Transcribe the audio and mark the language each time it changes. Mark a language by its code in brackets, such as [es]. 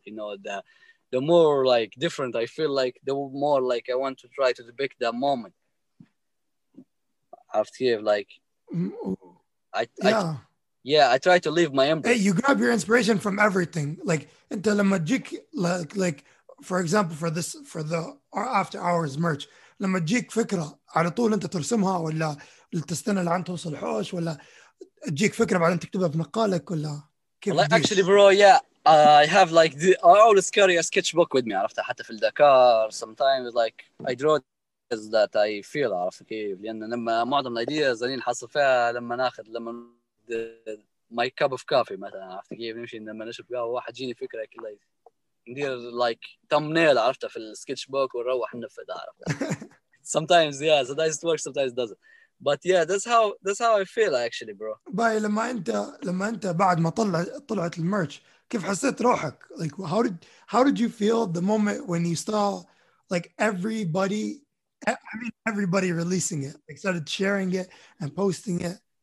[en] You know, the more, like, different I feel, like, the more, like, I want to try to depict that moment. After, like. I try to leave my imprint. Hey, you grab your inspiration from everything, like, into the magic, like for example, for the after hours merch. [ar] لما تجيك فكرة على طول أنت ترسمها ولا تستنى لعن توصل حوش ولا تجيك فكرة بعدين تكتبها في نقالك ولا [en] كيف؟ Well, actually, bro, yeah, I have like the, I always carry a sketchbook with me. [ar] عرفت حتى في الدكار [en] sometimes, like, I draw that I feel, [ar] عرفت كيف؟ لأن لما معظم الأيديز أنا نحصل فيها لما ناخذ لما my cup of coffee مثلاً, عرفت كيف؟ نمشي لما نشرب قهوة واحد جيني فكرة كلها ندير like thumbnail, عرفتها في السكتش بوك ونروح ننفذها, عرفتها. [en] Sometimes, yeah, sometimes it works, sometimes it doesn't. But yeah, that's how I feel actually, bro. باي, [ar] لما أنت بعد ما طلعت الميرش, كيف حسيت روحك؟ [en] Like, how did you feel the moment when you saw, like, everybody, I mean, everybody releasing it, like, started sharing it and posting it?